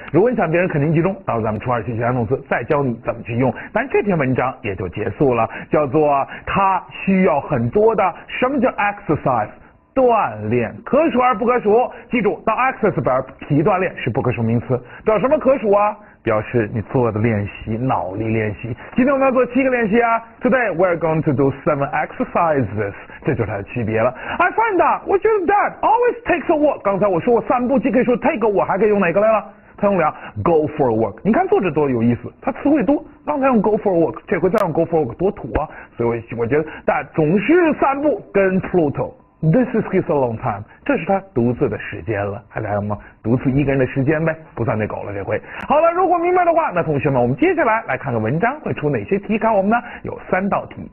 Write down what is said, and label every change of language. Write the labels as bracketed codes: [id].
[zh] 如果你想变成肯定句中，到时候咱们初二学习情态动词再教你怎么去用，但这篇文章也就结束了，叫做它需要很多的什么叫 exercise 锻炼，可数而不可数，记住当 exercise 表提锻炼是不可数名词，表什么可数啊？表示你做的练习，脑力练习。今天我们要做七个练习啊 [en] ，Today we are going to do 7 exercises， [zh] 这就是它的区别了。 [en] I find that， [zh] 我觉得 [en] that always takes a walk。 [zh] 刚才我说我散步，既可以说 [en] take a walk， [zh] 还可以用哪个来了？他用了 [en] go for a walk。 [zh] 你看作者多有意思，他词汇多。刚才用 [en] go for a walk， [zh] 这回再用 go for a walk， 多土啊！所以我觉得 that 总是散步跟 Pluto。 [en] This is his alone time， [zh] 这是他独自的时间了，还来了吗？独自一个人的时间呗，不算那狗了这回。好了，如果明白的话，那同学们，我们接下来来看看文章会出哪些题考我们呢？有三道题。